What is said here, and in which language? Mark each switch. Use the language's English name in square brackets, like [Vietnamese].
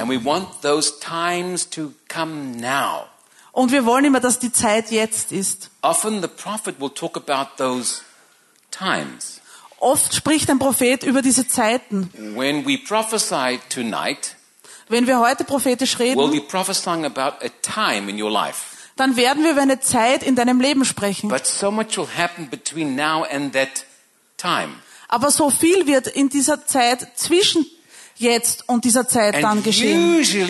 [English] And we want those times to come now. [German] Und wir wollen immer, dass die Zeit jetzt ist. [English] Often the prophet will talk about those times. [German] Oft spricht ein Prophet über diese Zeiten. [English] When we prophesy tonight, [German] wenn wir heute prophetisch reden, [English] we'll be prophesying about a time in your life. [German] Dann werden wir über eine Zeit in deinem Leben sprechen. [English] But so much will happen between now and that time. [German] Aber so viel wird in dieser Zeit zwischen jetzt und dieser Zeit dann geschehen.